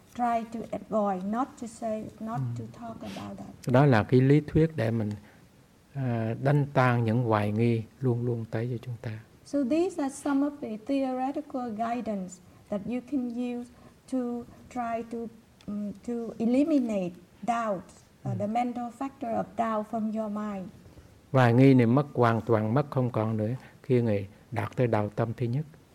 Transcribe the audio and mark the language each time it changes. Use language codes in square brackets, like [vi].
[en] Try to avoid, not to say, not to talk about that. [vi] Đó là cái lý thuyết để mình đánh tan những hoài nghi luôn luôn tới cho chúng ta. [en] So these are some of the theoretical guidance that you can use to try to eliminate doubts, the mental factor of doubt from your mind. [vi] Hoài nghi này mất hoàn toàn, mất không còn nữa khi người đạt tới đạo tâm thứ nhất.